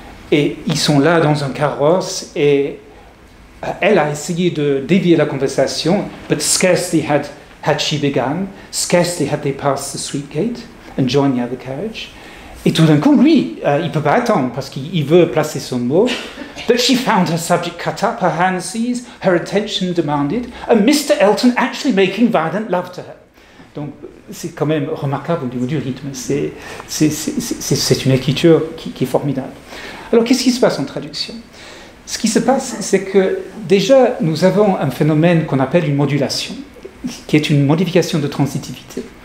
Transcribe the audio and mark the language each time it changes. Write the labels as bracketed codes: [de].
[fr] Et ils sont là dans un carrosse et elle a essayé de dévier la conversation, [en] but scarcely had she begun, scarcely had they passed the sweet gate and joined the other carriage. [fr] Et tout d'un coup, lui, il ne peut pas attendre parce qu'il veut placer son mot. [en] But she found her subject cut up, her hand seized, her attention demanded, and Mr. Elton actually making violent love to her. [fr] Donc, c'est quand même remarquable au niveau du rythme. C'est une écriture qui est formidable. Alors, qu'est-ce qui se passe en traduction ? Ce qui se passe, c'est que déjà, nous avons un phénomène qu'on appelle une modulation, qui est une modification de transitivité.